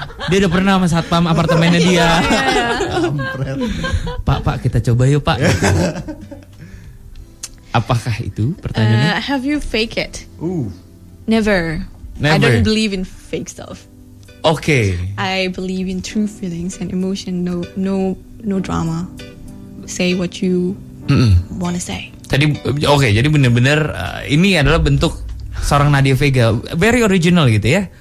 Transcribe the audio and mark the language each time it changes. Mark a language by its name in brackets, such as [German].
[Indonesian] Dia udah pernah sama satpam apartemennya dia. Pak, kita coba yuk pak. Apakah itu pertanyaannya? [English] Have you fake it? Never. I don't believe in fake stuff. Okay. I believe in true feelings and emotion. No drama. Say what you want to say. [Indonesian] Tadi okay, jadi benar-benar ini adalah bentuk seorang Nadia Vega, [English] very original [Indonesian] gitu ya.